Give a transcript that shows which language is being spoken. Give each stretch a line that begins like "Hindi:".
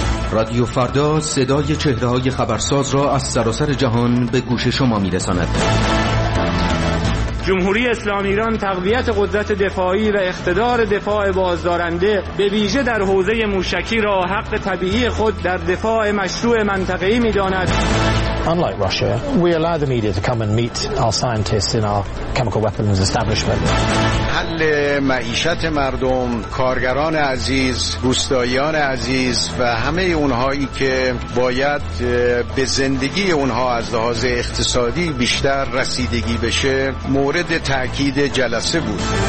Persian: رادیو فردا صدای چهره‌های خبرساز را از سراسر جهان به گوش شما می‌رساند. جمهوری اسلامی ایران تقویت قدرت دفاعی و اقتدار دفاع بازدارنده به ویژه در حوزه موشکی را حق طبیعی خود در دفاع مشروع منطقه‌ای می‌داند.
English: Unlike Russia, we allow the media to come and meet our scientists in our chemical weapons establishment.
Persian: حل معیشت مردم، کارگران عزیز، روستاییان عزیز و همه اونهایی که باید به زندگی اونها از لحاظ اقتصادی بیشتر رسیدگی بشه، مورد تأکید جلسه بود.